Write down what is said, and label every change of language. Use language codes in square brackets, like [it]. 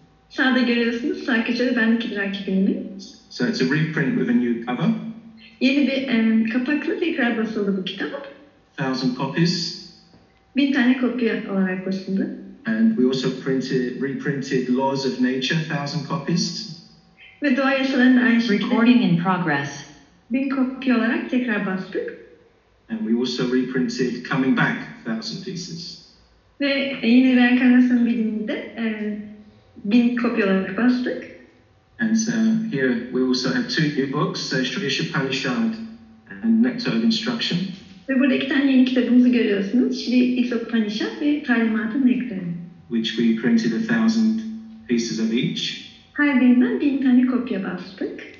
[tr] Sağda görüyorsunuz, sadece ben iki rakibimi. [en] So it's a reprint with a new cover. [tr] Yeni bir kapaklı tekrar basıldı bu kitap. [en] 1,000 copies. [tr] 1,000 tane kopya olarak basıldı. [en] And we also reprinted Laws of Nature, 1,000 copies. [tr] Ve doğa yasalarını aynı şekilde. [en] Recording in progress. [tr] 1,000 kopya olarak tekrar bastık. [en] And we also reprinted Coming Back, 1,000 pieces. [tr] Ve yine reenkarnasyon biliminde bin kopya olarak bastık. [en] And so here we also have two new books, Shrivisha Panishad and Nectar of Instruction. [tr] Ve burada iki tane yeni kitabımızı görüyorsunuz. Shrivisha Panishad ve Talimatı Nectar. [en] Which we printed 1,000 pieces of each. [tr] Her birinden 1,000 tane kopya bastık.